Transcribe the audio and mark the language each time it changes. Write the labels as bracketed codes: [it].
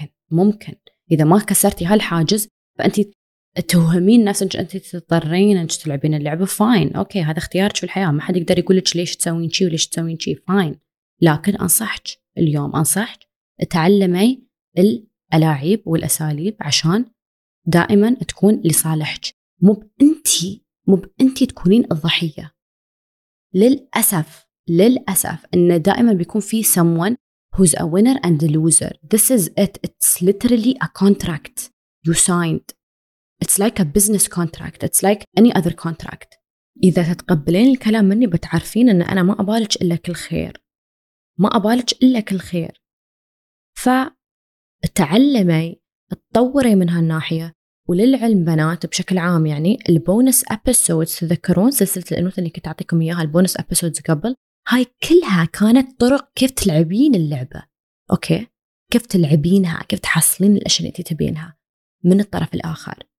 [ar] ممكن اذا ما كسرتي هالحاجز فانت توهمين نفسك انت تضطرين انك تلعبين اللعبه، فاين اوكي، هذا اختيارك في الحياه، ما حد يقدر يقول لك ليش تسوين شيء وليش تسوين شيء، فاين. لكن انصحك اليوم، انصحك تعلمي الالاعيب والاساليب عشان دائما تكون لصالحك، مو بأنتي تكونين الضحية. للأسف إن دائما بيكون في [en] someone who's a winner and a loser. This is it. It's literally a contract you signed. It's like a business contract. It's like any other contract. [ar] إذا تتقبلين الكلام مني بتعرفين إن أنا ما أبالج إلا كل خير، ما أبالج إلا كل خير. فتعلمي، تطوري من هالناحية. وللعلم بنات بشكل عام يعني البونس أبسودز، تذكرون سلسلة الأنوث اللي كنت أعطيكم إياها البونس أبسودز قبل، هاي كلها كانت طرق كيف تلعبين اللعبة أوكي، كيف تلعبينها، كيف تحصلين الأشياء اللي تبينها من الطرف الآخر.